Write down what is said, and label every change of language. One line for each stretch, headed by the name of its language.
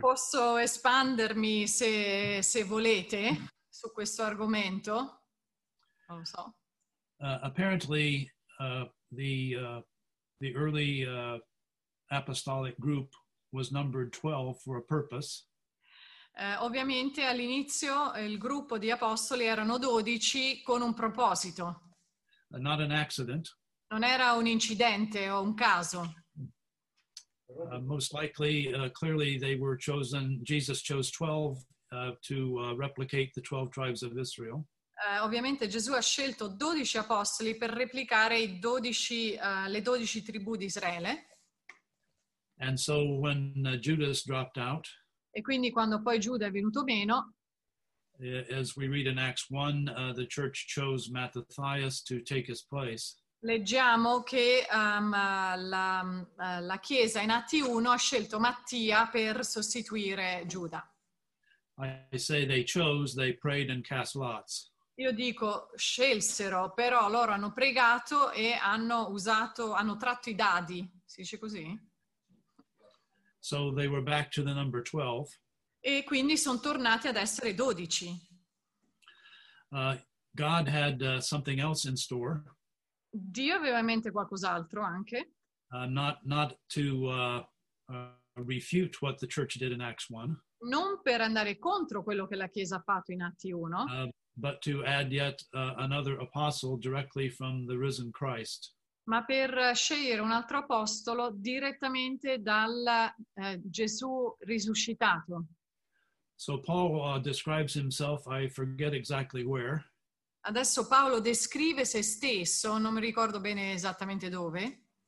Italian: Posso espandermi se volete su questo argomento? Non lo so.
English: Apparently, the early apostolic group was numbered 12 for a purpose.
Italian: Ovviamente all'inizio il gruppo di apostoli erano 12 con un proposito.
English: Not an accident.
Italian: Non era un incidente o un caso.
English: Most likely, clearly they were chosen, Jesus chose 12 to replicate the 12 tribes of Israel.
Italian: Ovviamente Gesù ha scelto 12 apostoli per replicare le 12 tribù di Israele.
English: And so when Judas dropped out,
Italian: e quindi quando poi Giuda è venuto meno,
English: as we read in Acts 1, the church chose Matthias to take his place.
Italian: Leggiamo che la Chiesa in Atti 1 ha scelto Mattia per sostituire Giuda.
English: I say they chose, they prayed and cast lots.
Italian: Io dico scelsero, però loro hanno pregato e hanno tratto i dadi. Si dice così?
English: So they were back to the number 12.
Italian: E quindi sono tornati ad essere 12.
English: God had something else in store.
Italian: Dio aveva in mente qualcos'altro anche.
English: Not to refute what the church did in Acts 1.
Italian: Non per andare contro quello che la Chiesa ha fatto in Atti 1.
English: But to add yet another apostle directly from the risen Christ.
Italian: Ma per scegliere un altro apostolo direttamente dal Gesù risuscitato.
English: So Paul describes himself, I forget exactly where.
Italian: Adesso Paolo descrive se stesso, non mi ricordo bene esattamente dove.